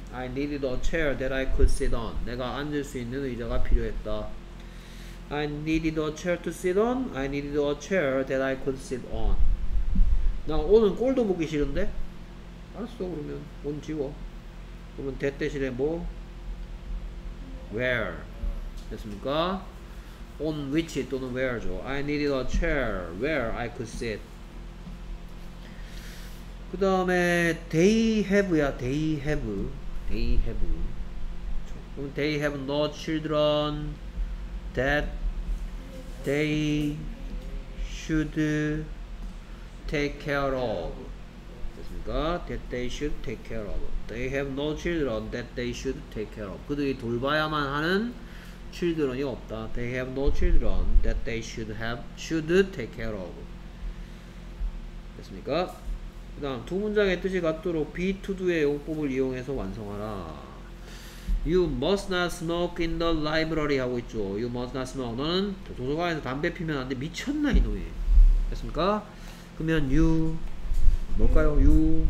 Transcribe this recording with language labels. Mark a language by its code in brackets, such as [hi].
[en] I needed a chair that I could sit on. [ko] 내가 앉을 수 있는 의자가 필요했다. [en] I needed a chair to sit on. I needed a chair that I could sit on. [ko] 나 오늘 꼴도 보기 싫은데? 알았어. 그러면 온 지워. 그러면 that 대신에 뭐? [en] Where [ko] 됐습니까? [en] On which 또는 where죠. I needed a chair where I could sit. [ko] 그 다음에 [en] they have야. They have. They have. [ko] 그럼 [en] they have no children that they should take care of. [ko] 됐습니까? [en] That they should take care of. They have no children that they should take care of. [ko] 그들이 돌봐야만 하는 children이 없다. [en] They have no children that they should have should take care of. [ko] 됐습니까? 그 다음 두 문장의 뜻이 같도록 be to do의 용법을 이용해서 완성하라. [en] You must not smoke in the library [ko] 하고 있죠. [en] You must not smoke. [ko] 너는 도서관에서 담배 피면 안 돼. 미쳤나 이놈이. 됐습니까? 그러면 you 뭘까요? You